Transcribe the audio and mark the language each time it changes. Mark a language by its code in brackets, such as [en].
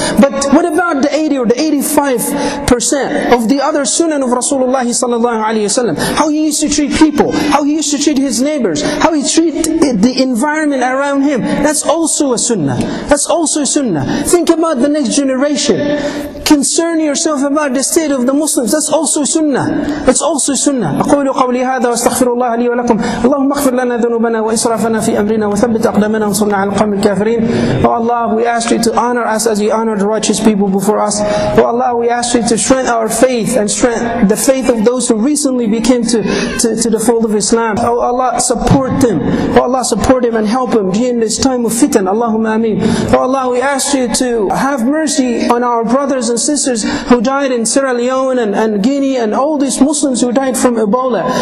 [en] But what about the 80 or the 85% of the other sunnah of Rasulullah sallallahu alayhi wa sallam? How he used to treat people, how he used to treat his neighbors, how he treated the environment around him. That's also a sunnah. Think about the next generation. Concern yourself about the state of the Muslims. That's also sunnah. [ar] أقول قولي هذا واستغفر الله لي ولكم. اللهم اغفر لنا ذنوبنا وإسرافنا في أمرنا وثبت أقدامنا وانصرنا على القوم الكافرين. [en] Oh Allah, we ask you to honor us as you honored righteous people before us. Oh Allah, we ask you to strengthen our faith and strengthen the faith of those who recently became to the fold of Islam. Oh Allah, support them. Oh Allah, support him and help him during this time of fitan. Allahumma ameen. Oh Allah, we ask you to have mercy on our brothers and sisters who died in Sierra Leone and Guinea and all these Muslims who died from Ebola.